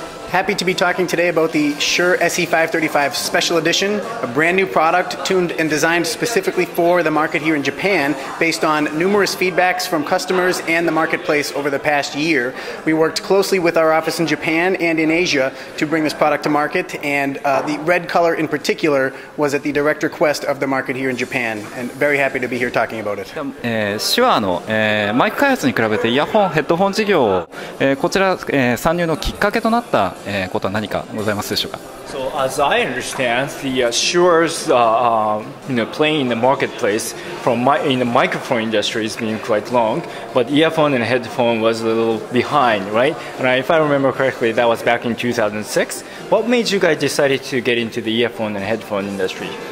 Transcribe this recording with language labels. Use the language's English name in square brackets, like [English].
[English] Happy to be talking today about the SHURE SE535 Special Edition, a brand new product tuned and designed specifically for the market here in Japan based on numerous feedbacks from customers and the marketplace over the past year. We worked closely with our office in Japan and in Asia to bring this product to market, and the red color in particular was at the direct request of the market here in Japan, and very happy to be here talking about it. [Japanese] SHURE のマイク開発に比べてイヤホン、ヘッドホン事業をこちら参入のきっかけとなったことは何かございますでしょうか。 [English] So as I understand, the SHURE's playing in the marketplace in the microphone industry has been quite long, but earphone and headphone was a little behind, right? And if I remember correctly, that was back in 2006. What made you guys decide to get into the earphone and headphone industry?